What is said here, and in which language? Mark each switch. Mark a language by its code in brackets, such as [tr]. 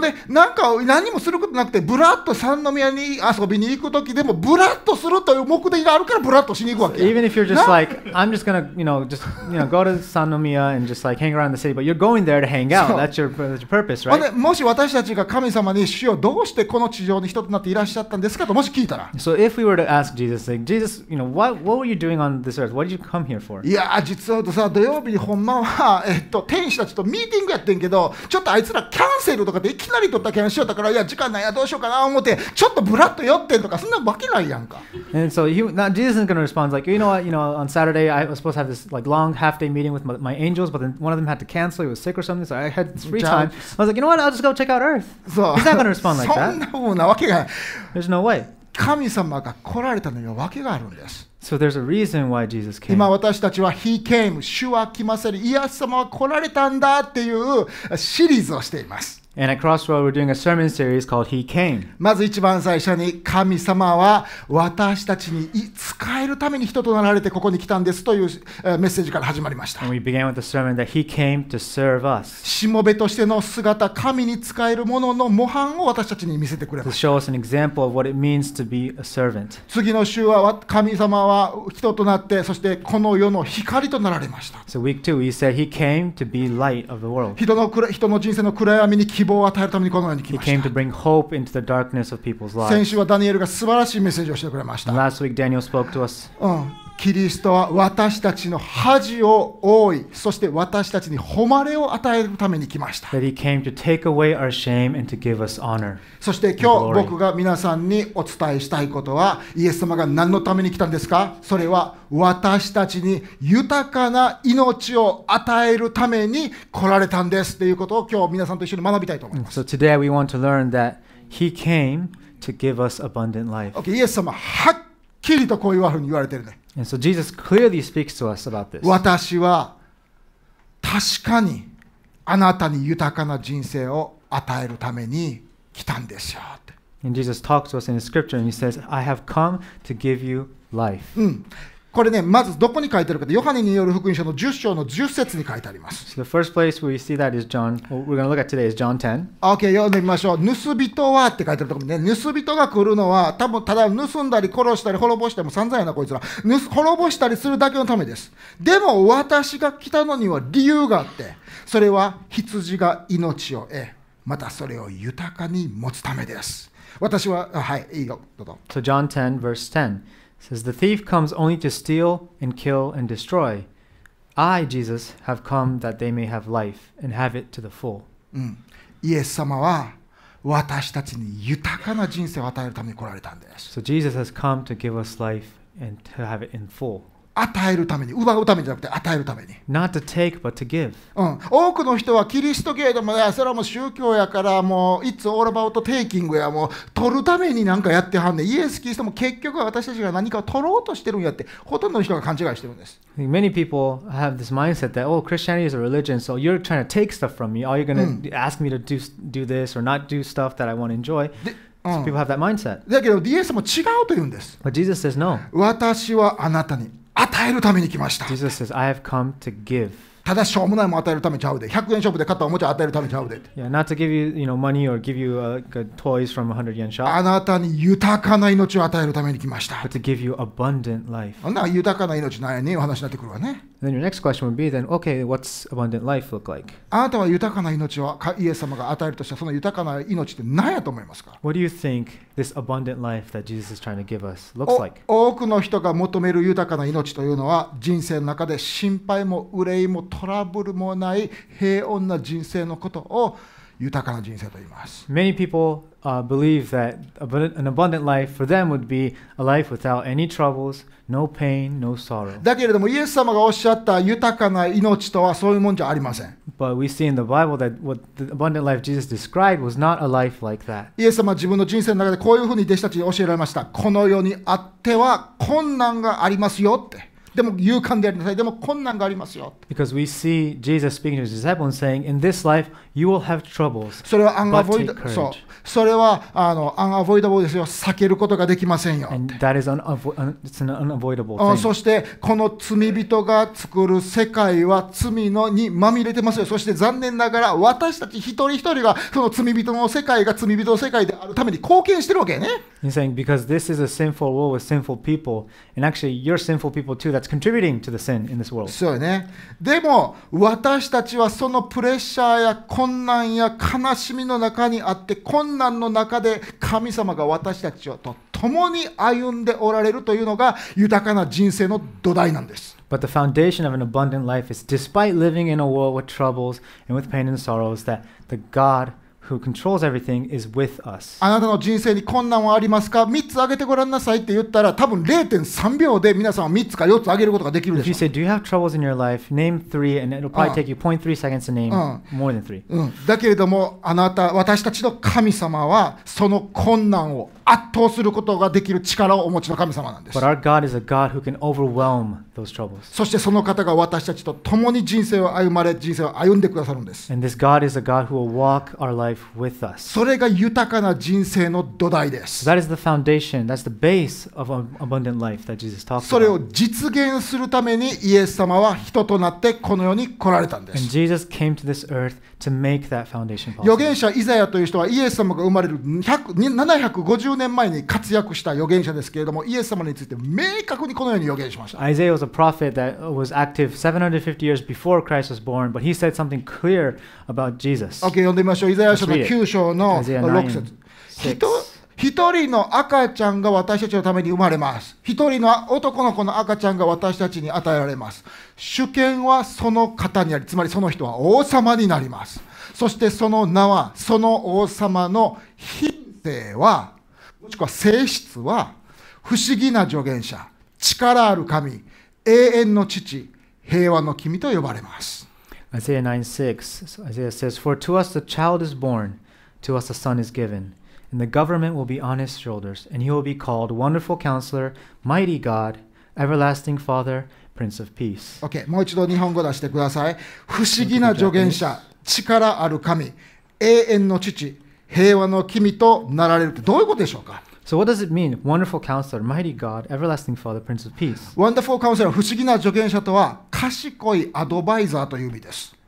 [ja] で、なんか何もすることなくて、ブラッと三宮に遊びに行くときでも、ブラッとするという目的があるからブラッとしに行くわけ。 [en] So even if you're just like, I'm just gonna, you know, just, you know, go to 三宮 and just like hang around the city, but you're going there to hang out. That's your purpose, right? [ja] もし私たちが神様に主よどうしてこの地上に人となっていらっしゃったんですかともし聞いたら [en] So if we were to ask Jesus, like, Jesus, you know, what were you doing on this earth? What did you come here for? [ja] いや実はとさ土曜日にほんまは天使たちとミーティングやってんけどちょっとあいつらキャンセルとかでいきなり取ったキャンセルだからいや時間ないやどうしようかな思ってちょっとブラッと寄ってんとかそんなわけないやんか [en] And so Jesus isn't going to respond like, you know what, on Saturday I was supposed to have this like long half day meeting with my angels but then one of them had to cancel, he was sick or something, so I had free time. I was like, you know what? I'll just go check out Earth. So, He's not going to respond like that. There's no way. [ja] 神様が来られたのにはわけがあるんです。 [en] So there's a reason why Jesus came. [ja] 今私たちは He came, 主は来ませる、イエス様は来られたんだっていうシリーズをしています。 [en] And at Crossroad, we're doing a sermon series called He Came. [ja] まず一番最初に神様は私たちに使えるために人となられてここに来たんですというメッセージから始まりました。 [en] And we began with the sermon that He came to serve us. [ja] しもべとしての姿、神に使えるものの模範を私たちに見せてくれました。 [en] To show us an example of what it means to be a servant. [ja] 次の週は神様は人となって、そしてこの世の光となられました。 [en] So week two, He said He came to be light of the world. [ja] 人の人生の暗闇に希望を与えるためにこのように来ました。 [en] He came to bring hope into the darkness of people's lives. [ja] 先週はダニエルが素晴らしいメッセージをしてくれました。 [en] Last week, Daniel spoke to us. [ja] キリストは私たちの恥を負い、そして私たちに誉れを与えるために来ました。 [en] That he came to take away our shame and to give us honor. [ja] そして今日僕が皆さんにお伝えしたいことは、イエス様が何のために来たんですか？それは私たちに豊かな命を与えるために来られたんですということを今日皆さんと一緒に学びたいと思います。 [en] So today we want to learn that he came to give us abundant life. [ja] Okay, イエス様はっきりとこういうふうに言われてるね。 [en] And so Jesus clearly speaks to us about this. [ja] 私は確かにあなたに豊かな人生を与えるために来たんですよ。 [en] And Jesus talks to us in the scripture and he says, I have come to give you life. [ja] うん。これね、まずどこに書いてあるかって、ヨハネによる福音書の10章の10節に書いてあります。 [en] So the first place where we see that is John, what we're going to look at today is John 10. [ja] Okay, 読んでみましょう。盗人はって書いてあるところね、盗人が来るのは、多分ただ盗んだり殺したり滅ぼしても散々やな、こいつら。滅ぼしたりするだけのためです。でも私が来たのには理由があって、それは羊が命を得、またそれを豊かに持つためです。私は、はい、いいよ、どうぞ。 [en] So John 10, verse 10. Says the thief comes only to steal and kill and destroy. I, Jesus, have come that they may have life and have it to the full. [ja] イエス様は私たちに豊かな人生を与えるために来られたんです。 [en] So Jesus has come to give us life and to have it in full. [ja] 与えるために、奪うためじゃなくて与えるために。 [en] Not to take but to give. [ja] 多くの人はキリスト教でもそれはもう宗教やからもう [en] It's all about taking [ja] やもう取るためになんかやってはんねん。イエスキリストも結局は私たちが何かを取ろうとしてるんやってほとんどの人が勘違いしてるんです。 [en] Many people have this mindset that, oh, Christianity is a religion, so you're trying to take stuff from me. Oh, you're going to ask me to do this or not do stuff that I want to enjoy. So people have that mindset. [ja] だけどイエスも違うと言うんです。 [en] But Jesus says no. [ja] 私はあなたに与えるために来ました。 [en] Jesus says, I have come to give. [ja] ただしょうもないも与えるためちゃうで、100円ショップで買ったおもちゃ与えるためちゃうで。 [en] Yeah, not to give you, you know, money or give you like toys from a 100 yen shop. [ja] あなたに豊かな命を与えるために来ました。 [en] But to give you abundant life. [ja] な豊かな命なんやねお話になってくるわね。 [en] Then your next question would be then, okay, what's abundant life look like? [ja] あなたは豊かな命をイエス様が与えるとしたその豊かな命って何やと思いますか？ [en] What do you think this abundant life that Jesus is trying to give us looks like? [ja] 多くの人が求める豊かな命というのは人生の中で心配も憂いもトラブルもない平穏な人生のことを豊かな人生と言います。 [en] Many people believe that an abundant life for them would be a life without any troubles, no pain, no sorrow. [ja] だけれどもイエス様がおっしゃった豊かな命とはそういうもんじゃありません。 [en] But we see in the Bible that what the abundant life Jesus described was not a life like that. [ja] イエス様は自分の人生の中でこういうふうに弟子たちに教えられました。この世にあっては困難がありますよって。でも勇敢でありなさい。でも困難がありますよ。 [en] Because we see Jesus speaking to his disciples and saying, in this life, you will have troubles. [ja] それは unavoidable. そう。それは unavoidable ですよ。避けることができませんよ。 [en] And that is unavoidable. Thing. [ja] そしてこの罪人が作る世界は罪のにまみれてますよ。そして残念ながら私たち一人一人がその罪人の世界が罪人の世界であるために貢献してるわけね。 [en] He's saying because this is a sinful world with sinful people, and actually you're sinful people too. That's contributing to the sin in this world. [ja] そうね。でも私たちはそのプレッシャーや困難や悲しみの中にあって、困難の中で神様が私たちと共に歩んでおられるというのが豊かな人生の土台なんです。 [en] But the foundation of an abundant life is despite living in a world with troubles and with pain and sorrows that the God who controls everything is with us. [ja] あなたの人生に困難はありますか ?3 つ挙げてごらんなさいって言ったら多分 0.3 秒で皆さんは3つか4つ挙げることができるでしょう。 [en] If you say, do you have troubles in your life? Name 3 and it'll probably take you 0.3 seconds to name more than 3. [ja] だけれどもあなた、私たちの神様はその困難を圧倒することができる力をお持ちの神様なんです。 [en] But our God is a God who can overwhelm those troubles. [ja] そしてその方が私たちと共に人生を歩まれ、人生を歩んでくださるんです。 [en] And this God is a God who will walk our life with us. [ja] それが豊かな人生の土台です。 [en] That is the foundation. That's the base of an abundant life that Jesus talks about. [ja] それを実現するためにイエス様は人となってこの世に来られたんです。 [en] And Jesus came to this earth to make that foundation possible. [ja] 預言者イザヤという人はイエス様が生まれる750年前に活躍した預言者ですけれども、イエス様について明確にこのように預言しました。 [en] Isaiah was a prophet that was active 750 years before Christ was born, but he said something clear about Jesus. [ja] OK, 読んでみましょう。イザヤ書の9章の6節。一人の赤ちゃんが私たちのために生まれます。一人の男の子の赤ちゃんが私たちに与えられます。主権はその方にあり、つまりその人は王様になります。そしてその名は、その王様の品性は、もしくは性質は不思議な助言者、力ある神、永遠の父、平和の君と呼ばれます。 [en] Isaiah 9:6 Isaiah says, For to us the child is born, to us the son is given, and the government will be on his shoulders, and he will be called Wonderful Counselor, Mighty God, Everlasting Father, Prince of Peace. [ja] OK, もう一度日本語出してください。不思議な助言者、力ある神、永遠の父、平和の君となられるってどういうことでしょうか? [en] So what does it mean? Wonderful Counselor, Mighty God, Everlasting Father, Prince of Peace. [ja] Wonderful Counselor, 不思議な助言者とは賢いアドバイザーという意味です。